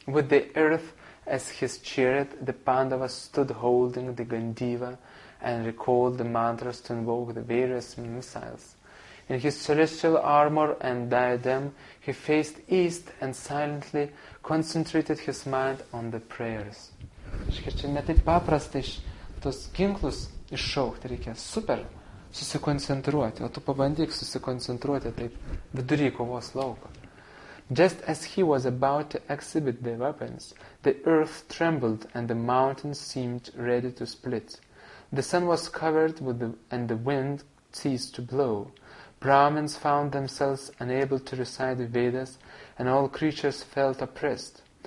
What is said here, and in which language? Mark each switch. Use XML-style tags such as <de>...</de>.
<en>With the earth as his chariot, the Pandavas stood holding the Gandiva and recalled the mantras to invoke the various missiles. In his celestial armor and diadem, he faced east and silently concentrated his mind on the prayers.</en> <lt>Čia ne taip paprastai tos ginklus iššaukti reikia. Super susikoncentruoti. O tu pabandyk susikoncentruoti taip vidury kovos lauko.</lt> <en>Just as he was about to exhibit the weapons, the earth trembled and the mountain seemed ready to split. The sun was covered with and the wind ceased to blow. Brahmins found themselves unable to recite the Vedas and all creatures felt oppressed.</en>